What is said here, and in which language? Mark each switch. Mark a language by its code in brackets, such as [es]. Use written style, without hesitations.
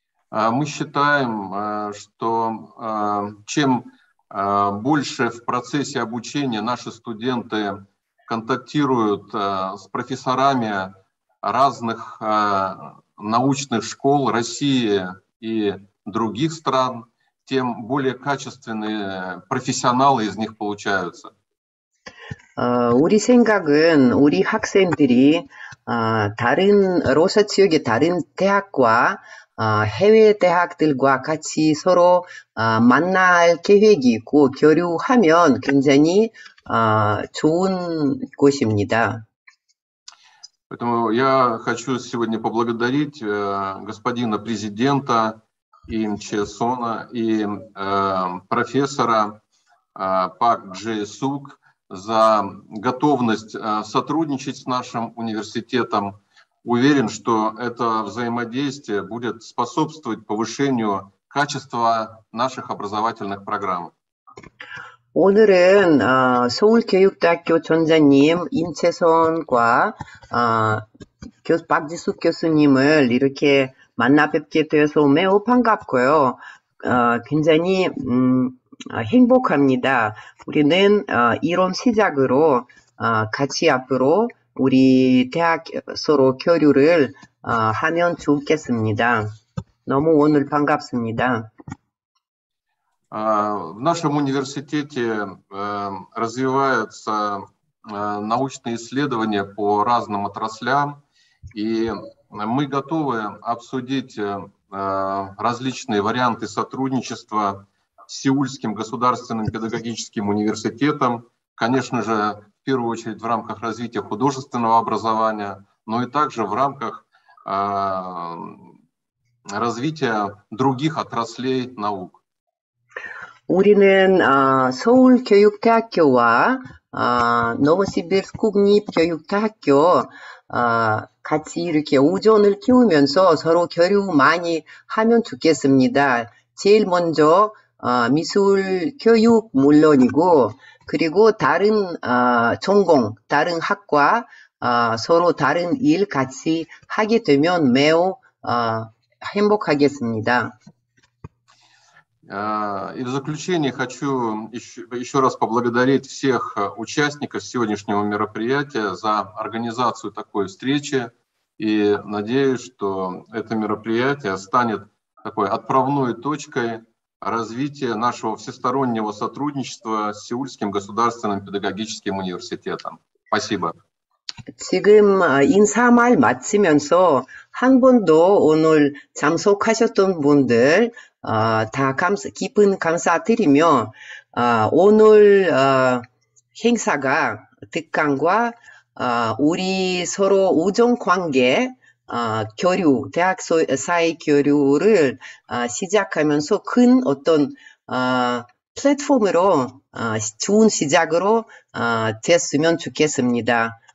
[ru] Мы считаем, что чем больше в процессе обучения наши студенты контактируют с профессорами разных научных школ России и других стран, тем более качественные профессионалы из них получаются. [ko] 우리 생각은 우리 학생들이 다른 로사 지역의 다른 대학과 해외 대학들과 같이 서로 만날 계획이 있고 교류하면 굉장히 좋은 곳입니다. [ru] Поэтому я хочу сегодня поблагодарить господина президента Им Чхе Сона и профессора Пак Джи Сук за готовность сотрудничать с нашим университетом. Уверен, что это взаимодействие будет способствовать повышению качества наших образовательных программ. [ko] 오늘은 서울교육대학교 전자님 임채선과 박지숙 교수님을 이렇게 만나 뵙게 되어서 매우 반갑고요. 굉장히 행복합니다. 우리는 이런 시작으로 같이 앞으로 우리 대학 서로 교류를 하면 좋겠습니다. 너무 오늘 반갑습니다. [ru] В нашем университете развиваются научные исследования по разным отраслям, и мы готовы обсудить различные варианты сотрудничества с Сеульским государственным педагогическим университетом, конечно же, в первую очередь в рамках развития художественного образования, но и также в рамках развития других отраслей наук. [ko] 우리는 서울 교육대학교와 노버시비르스 국립 교육대학교 같이 이렇게 우정을 키우면서 서로 교류 많이 하면 좋겠습니다. 제일 먼저 미술 교육 물론이고 그리고 다른 전공, 다른 학과 서로 다른 일 같이 하게 되면 매우 행복하겠습니다. [ru] И в заключение хочу еще раз поблагодарить всех участников сегодняшнего мероприятия за организацию такой встречи и надеюсь, что это мероприятие станет такой отправной точкой развитие нашего всестороннего сотрудничества с Сеульским государственным педагогическим университетом. Спасибо. [ko] 지금 인사말 마치면서 한 번도 오늘 참석하셨던 분들 다 깊은 감사드리며 오늘 행사가 특강과 우리 서로 우정관계 교류, 대학 사회 교류를 시작하면서 큰 어떤 플랫폼으로 좋은 시작으로 됐으면 좋겠습니다.